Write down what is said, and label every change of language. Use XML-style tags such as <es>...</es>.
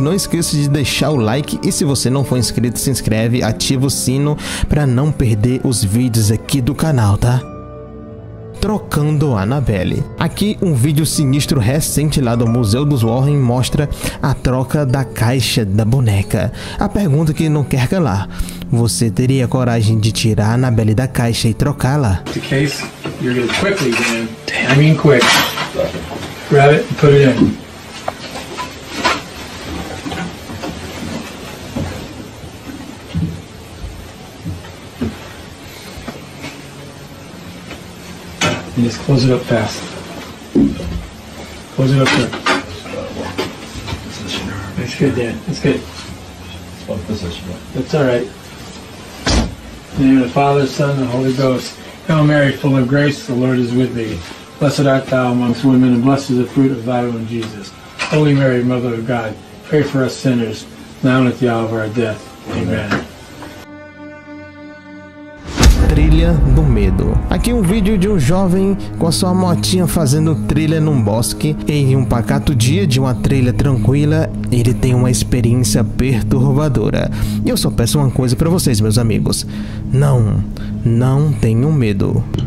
<pt>Não esqueça de deixar o like. E se você não for inscrito, se inscreve, ativa o sino pra não perder os vídeos aqui do canal, tá? Trocando Annabelle. Aqui, um vídeo sinistro recente lá do Museu dos Warren mostra a troca da caixa da boneca. A pergunta que não quer calar: você teria coragem de tirar a Annabelle da caixa e trocá-la?</pt> <en>The case, you're gonna quickly, man. I mean quick. Grab it and put it in. And just close it up fast. Close it up there. That's good, Dan. That's good. That's all right. In the name of the Father, Son, and the Holy Ghost. Hail Mary, full of grace, the Lord is with thee. Blessed art thou amongst women, and blessed is the fruit of thy womb, Jesus. Holy Mary, Mother of God, pray for us sinners, now and at the hour of our death. Amen.</en> <pt>Trilha do medo. Aqui um vídeo de um jovem com a sua motinha fazendo trilha num bosque. Em um pacato dia de uma trilha tranquila, ele tem uma experiência perturbadora. E eu só peço uma coisa pra vocês, meus amigos: não tenham medo.</pt>